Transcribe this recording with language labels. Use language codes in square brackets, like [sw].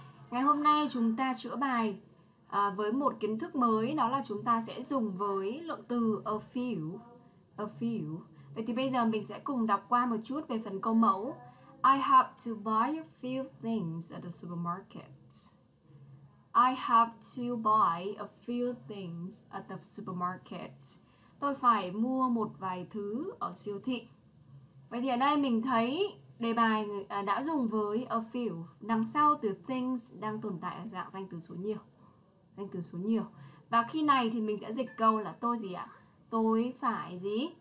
[vi] Ngày hôm nay chúng ta chữa bài với một kiến thức mới, đó là chúng ta sẽ dùng với lượng từ a few. A few. Vậy thì bây giờ mình sẽ cùng đọc qua một chút về phần câu mẫu. [en] I have to buy a few things at the supermarket. I have to buy a few things at the supermarket. [vi] Tôi phải mua một vài thứ ở siêu thị. Vậy thì ở đây mình thấy đề bài đã dùng với a few. Đằng sau từ things đang tồn tại ở dạng danh từ số nhiều. Danh từ số nhiều. Và khi này thì mình sẽ dịch câu là tôi gì ạ? Tôi phải gì?